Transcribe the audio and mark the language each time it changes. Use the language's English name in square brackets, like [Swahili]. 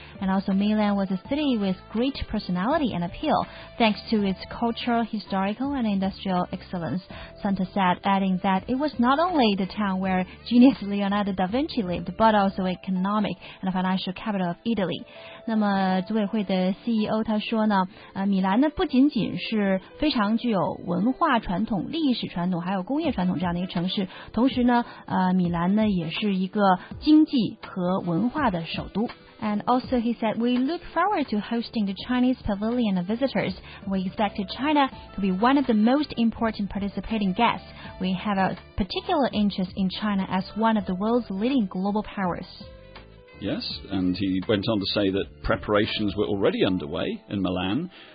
[English] And also Milan was a city with great personality and appeal thanks to its cultural, historical and industrial excellence. Santa said, adding that it was not only the town where genius Leonardo da Vinci lived, but also economic and financial capital of Italy. [Chinese] 那么组委会的 CEO 他说呢，米兰呢不仅仅是非常具有文化传统、历史传统，还有工业传统这样的一个城市，同时呢，米兰呢也是一个经济和文化的首都。 [English] And also he said, we look forward to hosting the Chinese pavilion of visitors. We expected China to be one of the most important participating guests. We have a particular interest in China as one of the world's leading global powers. Yes, and he went on to say that preparations were already underway in Milan.